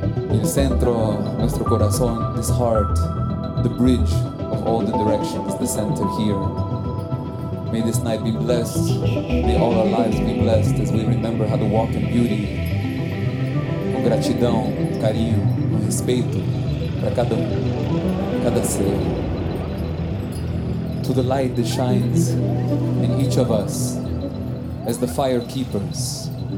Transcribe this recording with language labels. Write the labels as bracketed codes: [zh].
[es] El centro, nuestro corazón, [en] this heart, the bridge of all the directions, the center here. May this night be blessed, may all our lives be blessed as we remember how to walk in beauty. [pt] Com gratidão, carinho, respeito para cada cada ser. [en] To the light that shines in each of us as the fire keepers.